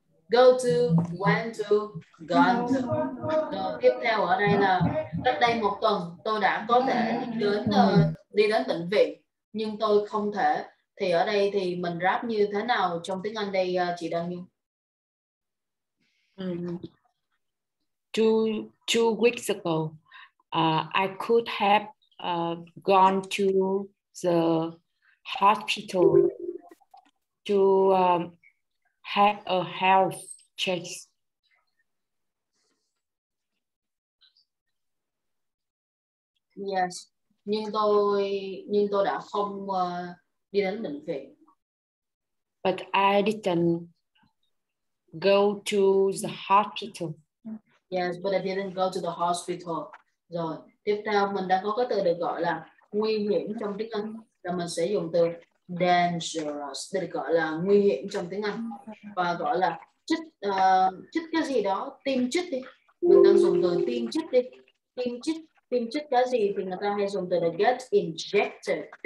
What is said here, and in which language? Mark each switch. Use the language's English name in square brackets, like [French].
[English] Go to, went to, gone to. [Vietnamese] Rồi, tiếp theo ở đây là cách đây một tuần tôi đã có thể đi đến bệnh viện nhưng tôi không thể. Thì ở đây thì mình rap như thế nào trong tiếng Anh đây chị Đăng Nhung? [English] Two weeks ago, I could have gone to the hospital to have a health check. [Vietnamese] Yes, nhưng tôi đã không đi đến bệnh viện. [English] But I didn't go to the hospital. Yes, but I didn't go to the hospital. [Vietnamese] Rồi, tiếp theo mình đã có cái từ được gọi là nguy hiểm trong tiếng Anh. Rồi mình sẽ dùng từ dangerous để gọi là nguy hiểm trong tiếng Anh. Và gọi là chích cái gì đó, tiêm chích đi. Mình đang dùng từ tiêm chích đi. Tiêm chích cái gì thì người ta hay dùng từ là get injected.